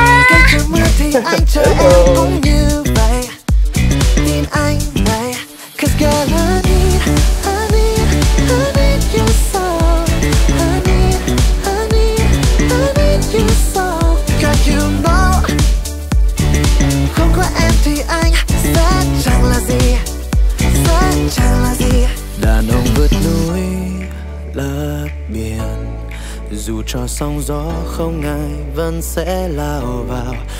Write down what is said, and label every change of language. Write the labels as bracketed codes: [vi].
[vi] Cái trời mưa thì anh chờ em cũng như vậy. Tin anh này. [en] Cause girl I need, I need, I need you so. I need, I need, I need you so. Girl you know. [vi] Không có em thì anh sẽ chẳng là gì, sẽ chẳng là gì. Đàn ông vượt núi lấp biển, dù cho sóng gió không ai vẫn sẽ lao vào.